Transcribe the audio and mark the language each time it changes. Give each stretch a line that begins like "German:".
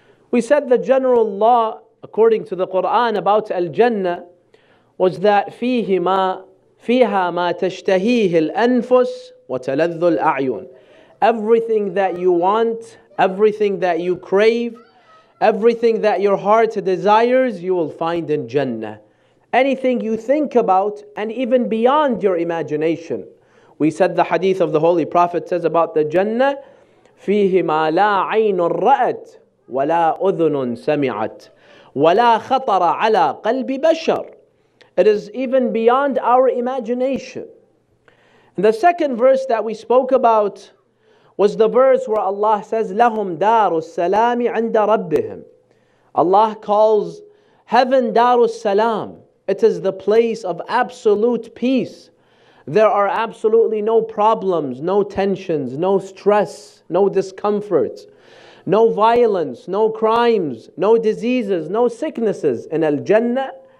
English: We said the general law, according to the Quran, about al-Jannah was that
Arabic: فيها ما تشتهيه الأنفس وتلذ الأعين.
English: Everything that you want, everything that you crave, everything that your heart desires, you will find in Jannah. Anything you think about, and even beyond your imagination. We said the hadith of the Holy Prophet says about the Jannah,
Arabic: فيه ما لا عين رأت ولا أذن سمعت ولا خطر على قلب بشر.
English: It is even beyond our imagination. And the second verse that we spoke about was the verse where Allah says,
Arabic: لَهُمْ دَارُ السَّلَامِ عِنْدَ رَبِّهِمْ.
English: Allah calls heaven
Arabic: دَارُ السَّلَامِ.
English: It is the place of absolute peace. There are absolutely no problems, no tensions, no stress, no discomfort, no violence, no crimes, no diseases, no sicknesses in al-Jannah.